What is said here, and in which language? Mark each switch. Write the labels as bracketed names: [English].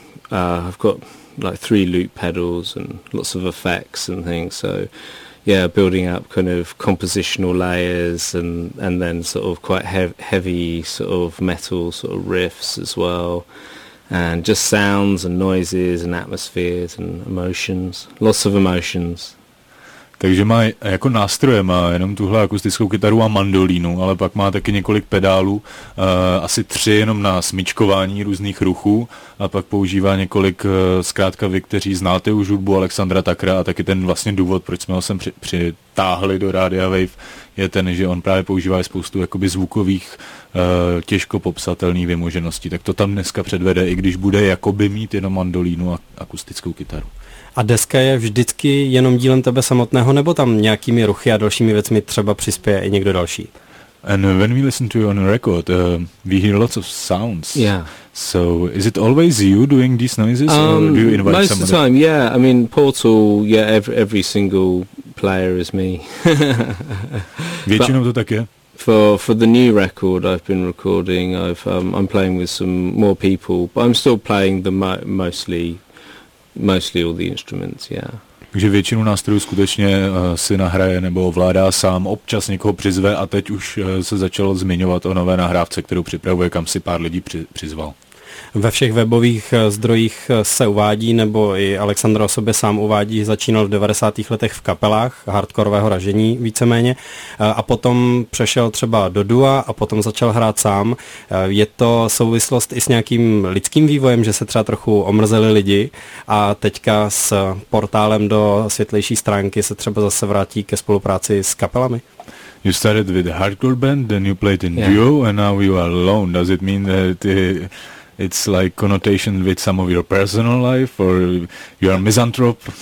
[English] I've got three loop pedals and lots of effects and things, so yeah, building up kind of compositional layers and then sort of quite heavy sort of metal sort of riffs as well, and just sounds and noises and atmospheres and emotions, lots of emotions. [Czech] Takže má jako nástroje, má jenom tuhle akustickou kytaru a mandolínu, ale pak má taky několik pedálů, asi tři jenom na smyčkování různých ruchů, a pak používá několik, zkrátka vy, kteří znáte už hudbu Alexandra Takra, a taky ten vlastně důvod, proč jsme ho sem přitáhli do Rádia Wave, je ten, že on právě používá spoustu jakoby zvukových, těžko popsatelných vymožeností. Tak to tam dneska předvede, i když bude jakoby mít jenom mandolínu a akustickou kytaru. A deska je vždycky jenom dílem tebe samotného, nebo tam nějakými ruchy a dalšími věcmi třeba přispěje i někdo další? [English] And when we listen to you on a record, we hear lots of sounds. Yeah. So is it always you doing these noises, or do you invite most Most of the time, yeah. I mean, Portal, yeah, every single player is me. [Czech] Většinou to tak je. [English] For the new record I've been recording, I'm playing with some more people, but I'm still playing the mostly all the instruments, yeah. [Czech] Takže většinu nástrojů skutečně si nahraje nebo ovládá sám, občas někoho přizve, a teď už se začalo zmiňovat o nové nahrávce, kterou připravuje, kam si pár lidí přizval. Ve všech webových zdrojích se uvádí, nebo i Alexandr o sobě sám uvádí, začínal v 90. letech v kapelách hardkorového ražení víceméně, a potom přešel třeba do dua a potom začal hrát sám. Je to souvislost i s nějakým lidským vývojem, že se třeba trochu omrzeli lidi a teďka s portálem do světlejší stránky se třeba zase vrátí ke spolupráci s kapelami? [English] You started with a hardcore band, then you played in duo and now you are alone. Does it mean that it's like connotation with some of your personal life, or you are a misanthrope?